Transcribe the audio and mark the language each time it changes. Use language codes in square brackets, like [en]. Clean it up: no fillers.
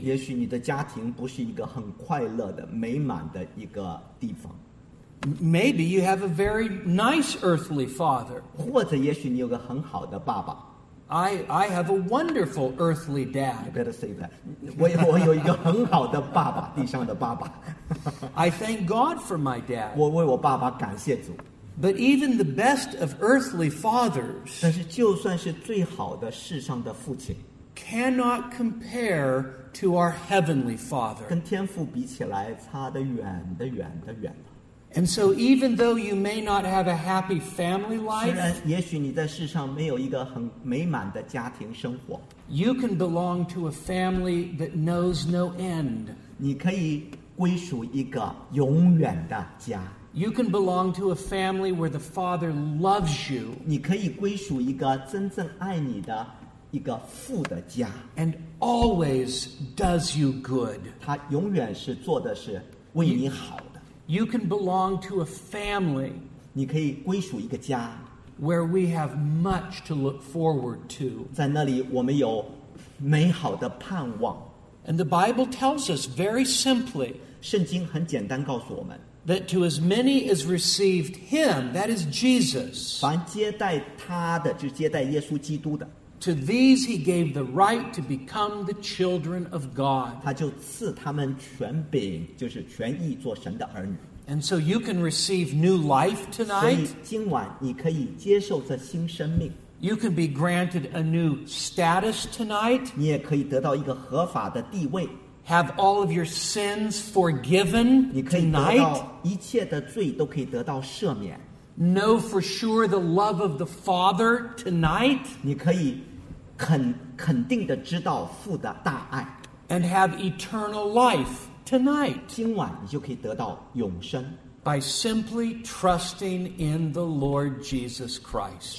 [zh] 也许你的家庭不是一个很快乐的、美满的一个地方。 [en] Maybe you have a very nice earthly father. [zh] 或者也许你有个很好的爸爸。 [en] I have a wonderful earthly dad. You better say that. [zh] 我有一个很好的爸爸，地上的爸爸。 [en] I thank God for my dad. [zh] 我为我爸爸感谢主。 [en] But even the best of earthly fathers, [zh] 但是就算是最好的世上的父亲， [en] cannot compare to our heavenly father. [zh] 跟天父比起来，差得远的远的远。 [en] And so even though you may not have a happy family life, [zh] 虽然也许你在世上没有一个很美满的家庭生活, [en] you can belong to a family that knows no end. [zh] 你可以归属一个永远的家。 [en] You can belong to a family where the father loves you. [zh] 你可以归属一个真正爱你的一个父的家。 [en] And always does you good. [zh] 他永远是做的是为你好。 [en] You can belong to a family [zh] 你可以归属一个家。 [en] Where we have much to look forward to. [zh] 在那里我们有美好的盼望。 [en] And the Bible tells us very simply. [zh] 圣经很简单告诉我们。 [en] That to as many as received him, that is Jesus. [zh] 凡接待他的，就接待耶稣基督的。 [en] To these he gave the right to become the children of God. [zh] 他就赐他们权柄，就是权义做神的儿女。 [en] And so you can receive new life tonight. [zh] 所以今晚你可以接受这新生命。 [en] You can be granted a new status tonight. [zh] 你也可以得到一个合法的地位。 [en] Have all of your sins forgiven tonight. [zh] 你可以得到一切的罪都可以得到赦免。 [en] Know for sure the love of the Father tonight. [zh] 你可以肯定的知道父的大爱。 [en] And have eternal life tonight. [zh] 今晚你就可以得到永生。 [en] By simply trusting in the Lord Jesus Christ.